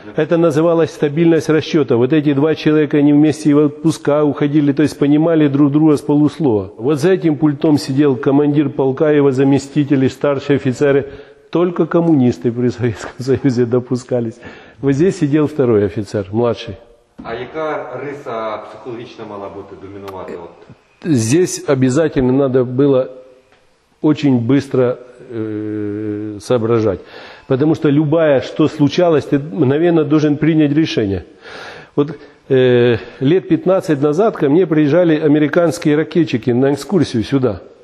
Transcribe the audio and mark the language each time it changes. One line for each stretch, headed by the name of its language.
Russian: Это называлось стабильность расчета. Вот эти 2 человека, они вместе в отпуска уходили, то есть понимали друг друга с полуслова. Вот за этим пультом сидел командир полка, его заместители, старшие офицеры. Только коммунисты при Советском Союзе допускались. Вот здесь сидел второй офицер, младший.
Ukrainian: А яка риса психологічна мала бути домінувати?
Russian: Здесь обязательно надо было очень быстро соображать. Потому что любое, что случалось, ты мгновенно должен принять решение. Вот лет 15 назад ко мне приезжали американские ракетчики на экскурсию сюда.